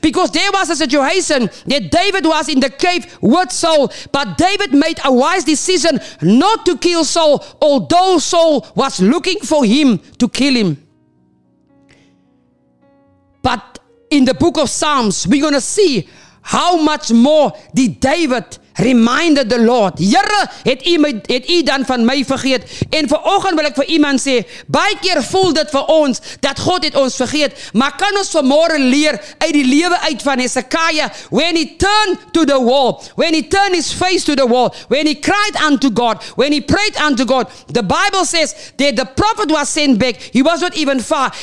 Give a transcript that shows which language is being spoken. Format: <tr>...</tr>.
<en>Because there was a situation that David was in the cave with Saul, but David made a wise decision not to kill Saul, although Saul was looking for him to kill him. But in the book of Psalms, we're going to see how much more did David remind the Lord.</en> <af>Here, het u dan van my vergeet. En vanoggend wil ek vir iemand sê, baie keer voel dit vir ons, dat God het ons vergeet. Maar kan ons vanmôre leer, uit die lewe uit van</af> <en>Hezekiah, when he turned to the wall, when he turned his face to the wall, when he cried unto God, when he prayed unto God, the Bible says, that the prophet was sent back, he was not even far.</en>